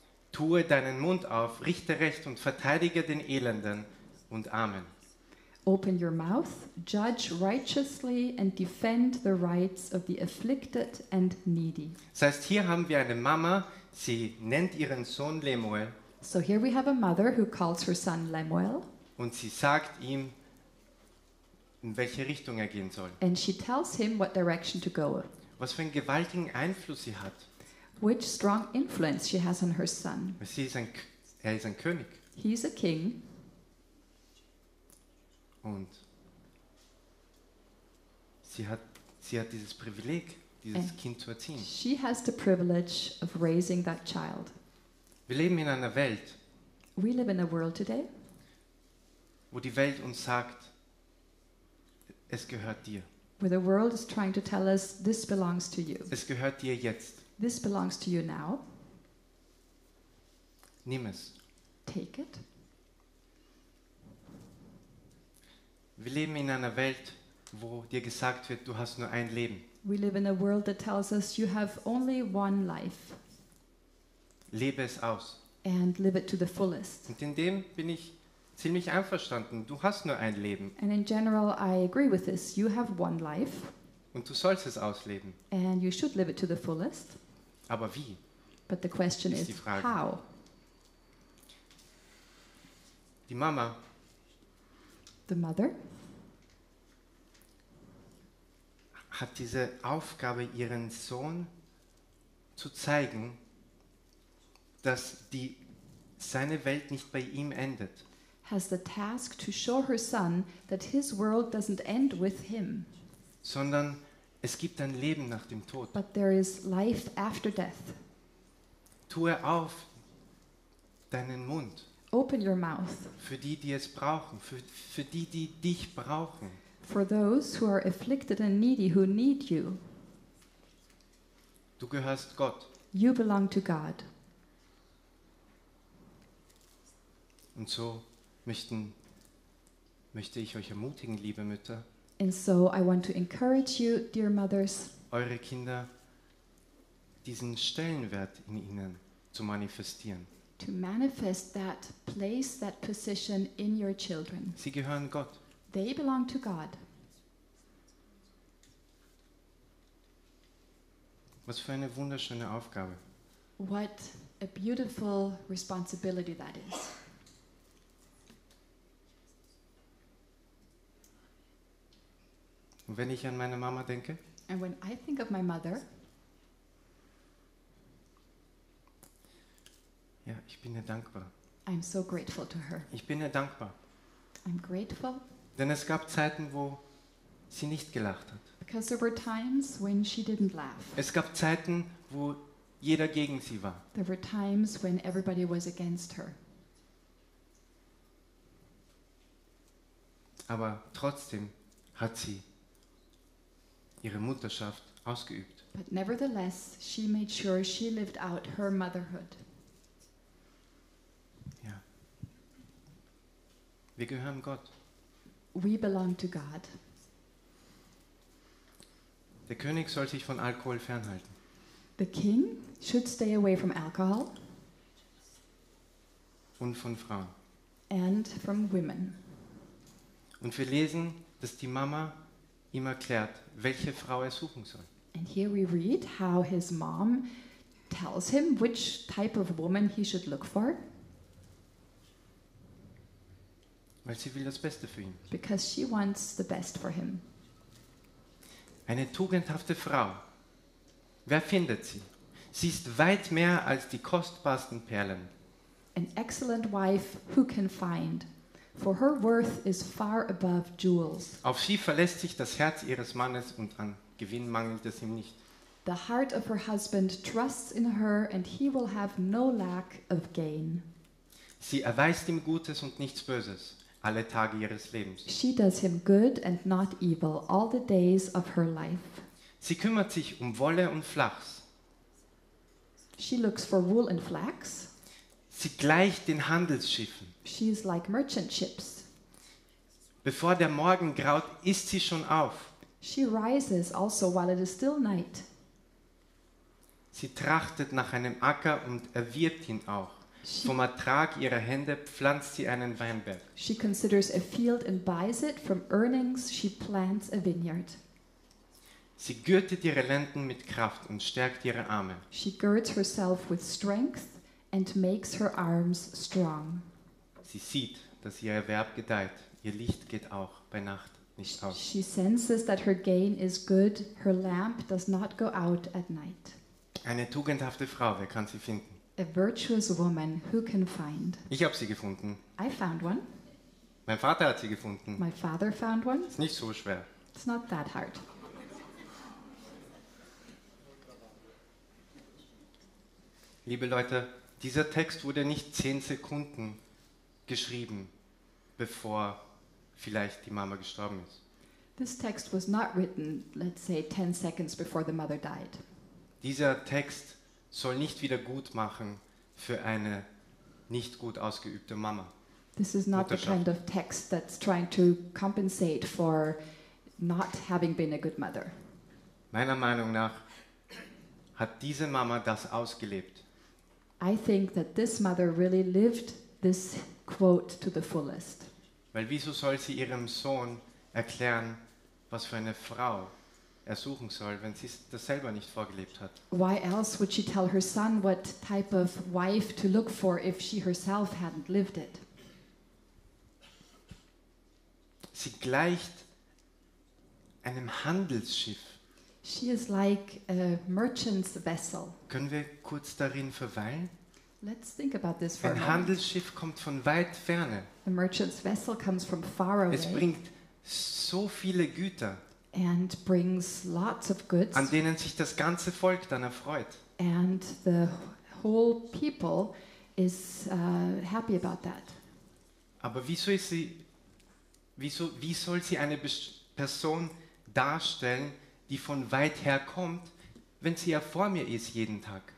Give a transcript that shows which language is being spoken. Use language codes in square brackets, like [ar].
[de] Tue deinen Mund auf, richte Recht und verteidige den Elenden und Armen. [en] Open your mouth, judge righteously and defend the rights of the afflicted and needy. [de] Das heißt, hier haben wir eine Mama, sie nennt ihren Sohn Lemuel. [en] So here we have a mother who calls her son Lemuel. [de] Und sie sagt ihm, in welche Richtung er gehen soll. [en] And she tells him what direction to go. [de] Was für einen gewaltigen Einfluss sie hat. [en] Which strong influence she has on her son. [de] Er ist ein König. [en] He is a king. [de] Und sie hat dieses Privileg, dieses Kind zu erziehen. [en] She has the privilege of raising that child. [de] Wir leben in einer Welt. [en] We live in a world today. [de] Wo die Welt uns sagt, es gehört dir. [en] Where the world is trying to tell us this belongs to you. [de] Es gehört dir jetzt. [en] This belongs to you now. [de] Nimm es. [en] Take it. [de] Wir leben in einer Welt, wo dir gesagt wird, du hast nur ein Leben. [en] We live in a world that tells us you have only one life. [de] Lebe es aus. [en] And live it to the fullest. [de] Und in dem bin ich ziemlich einverstanden. Du hast nur ein Leben. [en] And in general, I agree with this. You have one life. [de] Und du sollst es ausleben. [en] And you should live it to the fullest. [de] Aber wie? [en] But the question is, how? [de] Die Mama. [en] The mother. [de] Hat diese Aufgabe, ihren Sohn zu zeigen, dass seine Welt nicht bei ihm endet. [en] Has the task to show her son that his world doesn't end with him. [de] Sondern es gibt ein Leben nach dem Tod. [en] But there is life after death. [de] Tue auf deinen Mund. [en] Open your mouth. [de] Für die, die es brauchen, für die, die dich brauchen. [en] For those who are afflicted and needy, who need you. [de] Du gehörst Gott. [en] You belong to God. [de] Und so möchte ich euch ermutigen, liebe Mütter. [en] And so I want to encourage you, dear mothers. [de] Eure Kinder diesen Stellenwert in ihnen zu manifestieren. [en] To manifest that place, that position in your children. [de] Sie gehören Gott. [en] They belong to God. [de] Was für eine wunderschöne Aufgabe. [en] What a beautiful responsibility that is. [de] Und wenn ich an meine Mama denke, [en] and when I think of my mother, [de] ja, ich bin ihr dankbar. [en] I'm so grateful to her. [de] Ich bin ihr dankbar. [en] I'm grateful. [de] Denn es gab Zeiten, wo sie nicht gelacht hat. [en] Because there were times when she didn't laugh. [de] Es gab Zeiten, wo jeder gegen sie war. [en] There were times when everybody was against her. [de] Aber trotzdem hat sie ihre Mutterschaft ausgeübt. [en] But nevertheless, she made sure she lived out her motherhood. [de] Ja. Wir gehören Gott. [en] We belong to God. [de] Der König soll sich von Alkohol fernhalten. [en] The king should stay away from alcohol. [de] Und von Frauen. [en] And from women. [de] Und wir lesen, dass die Mama ihm erklärt, welche Frau er suchen soll. [en] And here we read how his mom tells him which type of woman he should look for. [de] Weil sie will das Beste für ihn. [en] Because she wants the best for him. [de] Eine tugendhafte Frau. Wer findet sie? Sie ist weit mehr als die kostbarsten Perlen. [en] An excellent wife, who can find? For her worth is far above jewels. [de] Auf sie verlässt sich das Herz ihres Mannes und an Gewinn mangelt es ihm nicht. [en] The heart of her husband trusts in her and he will have no lack of gain. [de] Sie erweist ihm Gutes und nichts Böses alle Tage ihres Lebens. [en] She does him good and not evil all the days of her life. [de] Sie kümmert sich um Wolle und Flachs. [en] She looks for wool and flax. [de] Sie gleicht den Handelsschiffen. [en] She is like merchant ships. [de] Bevor der Morgen graut, ist sie schon auf. [en] She rises also while it is still night. [de] Sie trachtet nach einem Acker und erwirbt ihn auch. Vom Ertrag ihrer Hände pflanzt sie einen Weinberg. [en] She considers a field and buys it. From earnings she plants a vineyard. [de] Sie gürtet ihre Lenden mit Kraft und stärkt ihre Arme. [en] She girds herself with strength and makes her arms strong. [de] Sie sieht, dass ihr Erwerb gedeiht. Ihr Licht geht auch bei Nacht nicht aus. [en] She senses that her gain is good. Her lamp does not go out at night. [de] Eine tugendhafte Frau, wer kann sie finden? [en] A virtuous woman, who can find? [de] Ich habe sie gefunden. [en] I found one. [de] Mein Vater hat sie gefunden. [en] My father found one. [de] Ist nicht so schwer. [en] It's not that hard. [de] Liebe Leute, dieser Text wurde nicht 10 Sekunden geschrieben, bevor vielleicht die Mama gestorben ist. [en] This text was not written, let's say, 10 seconds before the mother died. [de] Dieser Text soll nicht wieder gut machen für eine nicht gut ausgeübte Mama. [en] This is not the kind of text that's trying to compensate for not having been a good mother. [de] Meiner Meinung nach hat diese Mama das ausgelebt. [en] I think that this mother really lived this quote to the fullest. [de] Weil wieso soll sie ihrem Sohn erklären, was für eine Frau er suchen soll, wenn sie das selber nicht vorgelebt hat? [en] Why else would she tell her son what type of wife to look for if she herself hadn't lived it? [de] Sie gleicht einem Handelsschiff. [en] She is like a merchant's vessel. [de] Können wir kurz darin verweilen? [en] Let's think about this for a moment. [de] Ein Handelsschiff kommt von weit ferne. [en] A merchant's vessel comes from far away. [de] Es bringt so viele Güter. [en] And brings lots of goods. [de] An denen sich das ganze Volk dann erfreut. [en] And the whole people is happy about that. [de] Aber wie soll sie eine Person darstellen, die von weit her kommt, wenn sie ja vor mir ist jeden Tag?